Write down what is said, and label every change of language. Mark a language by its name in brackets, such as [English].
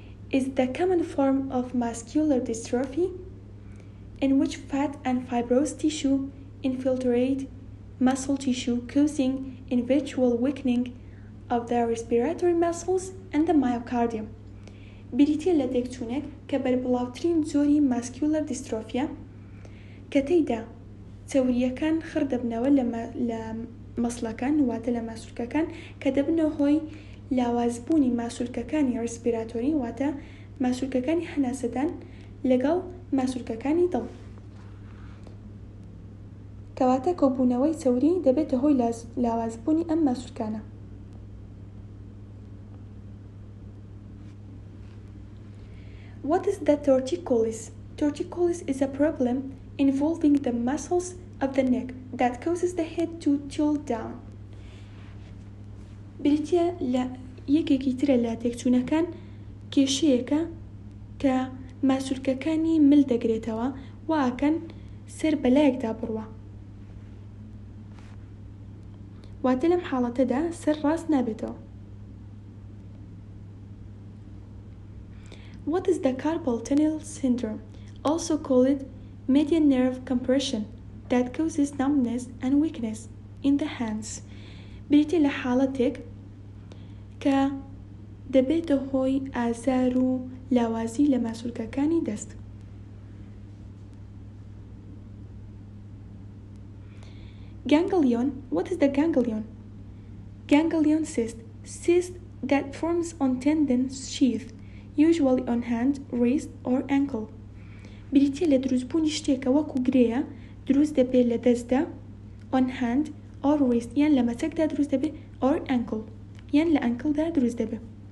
[English] Is the common form of muscular dystrophy in which fat and fibrous tissue infiltrate muscle tissue causing eventual weakening of the respiratory muscles and the myocardium. [Central Kurdish] بریتیل لە دەکتونێک کە بەربڵاوترین زۆری ماسکیولەر دیسترۆفیە کە تێیدا چەوریەکان خڕ دەبنەوە لە مەسڵەکان واتە لە ماسولکەکان کە دەبنە هۆی لاوازبوونی ماسولکەکانی ڕیسپیراتۆری واتە ماسولکەکانی هەناسەدان لەگەڵ ماسولکەکانی دڵ کەواتە کۆبوونەوەی چەوری دەبێتە هۆی لاوازبوونی ئەم ماسولکانە [English] What is the torticollis? Torticollis is a problem involving the muscles of the neck that causes the head to tilt down. [Central Kurdish] بریتیە لە یەکێکی ترە لە تێکچوونەکان کێشەیەکە کە ماسولکەکانی مل دەگرێتەوە و ئاکەن سەر بەلایەکدا بڕوا. واتە لەم حاڵەتەدا سەر ڕاست نابێتەوە. [English] What is the carpal tunnel syndrome, also called median nerve compression, that causes numbness and weakness in the hands? [Central Kurdish] بریتی لحالتک که دبیت هوی ازارو لوازی لمسول کانی دست. [English] Ganglion, what is the ganglion? Ganglion cyst, cyst that forms on tendon sheath. Usually on hand, wrist, or ankle. [Central Kurdish] بریتیە لە دروستبوونی شتێکە وەکو گرێیە دروست دەبێت لە دەستدا [English] on hand or wrist [Central Kurdish] یان لە مەچەکدا دروست دەبێت [English] or ankle [Central Kurdish] یان لە ئەنکلدا دروست دەبێت.